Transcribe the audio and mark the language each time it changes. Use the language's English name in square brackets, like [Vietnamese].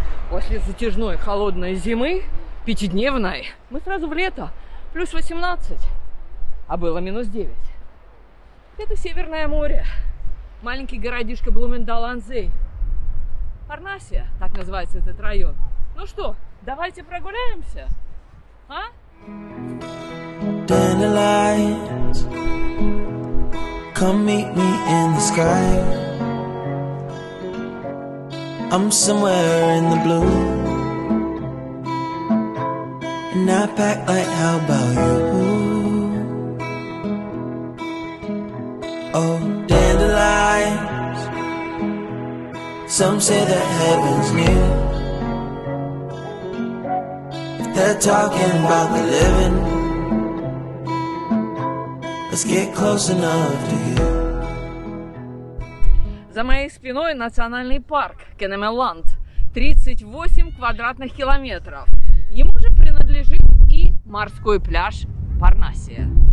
[Russian] после затяжной холодной зимы, пятидневной, мы сразу в лето, плюс 18, а было минус 9. Это Северное море, маленький городишко Блумендал-Анзей, Парнасия, так называется этот район. Ну что, давайте прогуляемся, а? [English] Dandelions, come meet me in the sky. I'm somewhere in the blue. And I pack light, how about you? Oh, dandelions, some say that heaven's new. If they're talking about the living, let's get close enough to you. [Russian] За моей спиной национальный парк Кенемеланд, 38 квадратных километров. Ему же принадлежит и морской пляж Парнасия.